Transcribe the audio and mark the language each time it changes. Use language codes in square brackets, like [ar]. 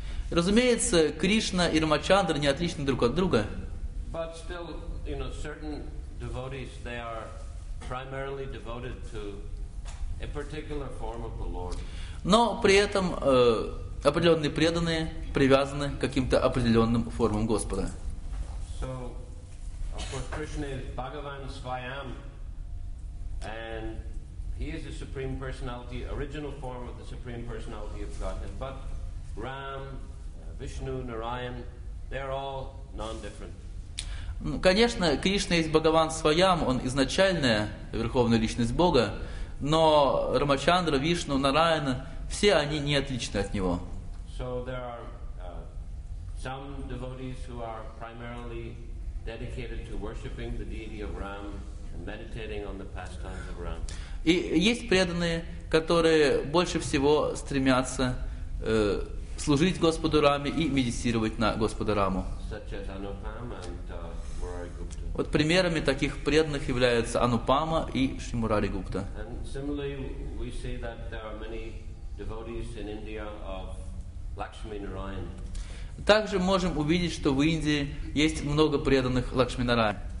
[ru] Разумеется, Кришна и Рамачандра не отличны друг от друга. [en] But still, you know, certain devotees, they are primarily devoted to a particular form of the Lord. [ru] Но при этом определенные преданные привязаны к каким-то определенным формам Господа. [en] So, of course, Krishna is Bhagavan Svayam, and he is the Supreme Personality, original form of the Supreme Personality of Godhead. But Ram, Vishnu, Narayan, they are all non-different. [ru] Конечно, Кришна есть Бхагаван Свайам, он изначальная верховная личность Бога, но Рамачандра, Вишну, Нараяна, все они не отличны от него. [en] So there are some devotees who are primarily dedicated to worshiping the deity of Ram and meditating on the pastimes of Ram. [ru] И есть преданные, которые больше всего стремятся служить Господу Раме и медитировать на Господа Раму. [en] Such as Anupam and Murari Gupta. [ru] Вот примерами таких преданных являются Анупама и Шри Мурари Гупта. [en] And similarly, we see that there are many devotees in India of Lakshmi Narayan. [ru] Также можем увидеть, что в Индии есть много преданных Лакшми Нарайан.